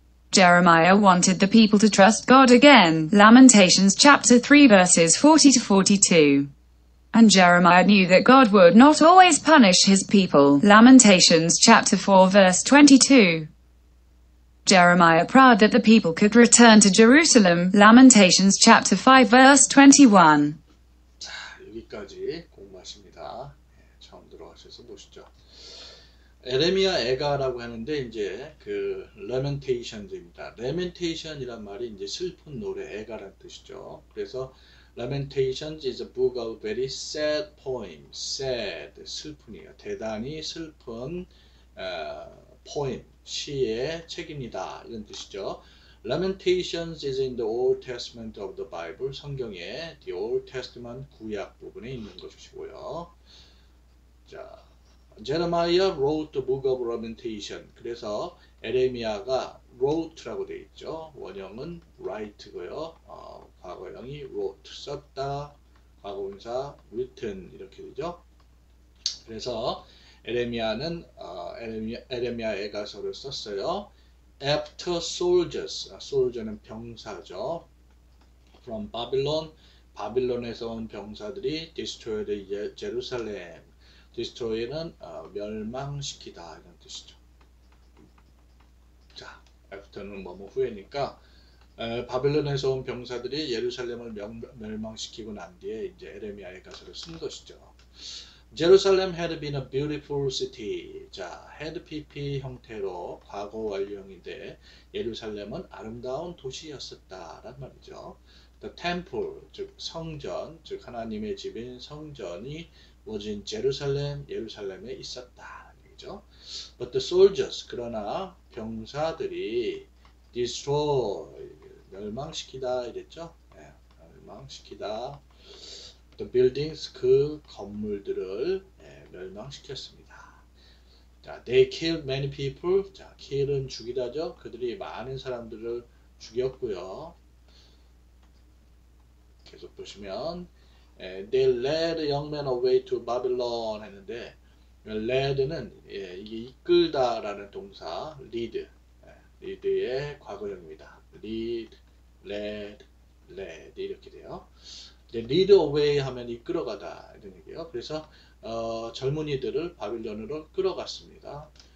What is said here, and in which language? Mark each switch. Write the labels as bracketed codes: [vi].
[en] Jeremiah wanted the people to trust God again. Lamentations chapter 3 verses 40 to 42. And Jeremiah knew that God would not always punish his people. Lamentations chapter 4 verse 22. Jeremiah prayed that the people could return to Jerusalem. Lamentations chapter 5 verse 21. [ko] 여기까지 공부하십니다. 처음 들어가셔서 보시죠. 에레미야 애가라고 하는데 이제 그 Lamentations입니다. Lamentation이란 말이 이제 슬픈 노래, 애가란 뜻이죠. [en] 그래서 Lamentations is a book of very sad poems. [ko] Sad, 슬픔이에요. 대단히 슬픈 poem, 시의 책입니다. 이런 뜻이죠. [en] Lamentations is in the Old Testament of the Bible. [ko] 성경의 The Old Testament 구약 부분에 있는 것이고요. [en] 자, Jeremiah wrote the book of Lamentation. [ko] 그래서 에레미야가 wrote라고 되어 있죠. 원형은 write고요. 과거형이 wrote, 썼다. 과거분사 written 이렇게 되죠. 그래서 에레미야는 에레미야 애가서를 썼어요. [en] After soldiers, soldier는 병사죠. From Babylon, [ko] 바빌론에서 온 병사들이 [en] destroyed Jerusalem. [ko] Destroy는 멸망시키다 이런 뜻이죠. 자, after는 뭐뭐 후에니까 바빌론에서 온 병사들이 예루살렘을 멸망시키고 난 뒤에 이제 에레미야의 가사를 쓴 것이죠. [en] Jerusalem had been a beautiful city. [ko] 자, had PP 형태로 과거 완료형인데 예루살렘은 아름다운 도시였었다란 말이죠. [en] The temple, [ko] 즉 성전, 즉 하나님의 집인 성전이 [en] was in Jerusalem, [ko] 예루살렘에 있었다는 얘기죠. [en] But the soldiers, [ko] 그러나 병사들이 destroy, 멸망시키다 이랬죠. 네, 멸망시키다. [en] The buildings, [ko] 그 건물들을 멸망시켰습니다. [en] 자, they killed many people. [ko] 자, kill은 죽이다죠. 그들이 많은 사람들을 죽였고요. 계속 보시면, [en] they led young men away to Babylon [ko] 했는데, led는 이게 이끌다라는 동사, lead, lead의 과거형입니다. lead, led, led 이렇게 돼요. 이제 lead away 하면 이끌어가다 이런 얘기예요. 그래서 젊은이들을 바빌론으로 끌어갔습니다.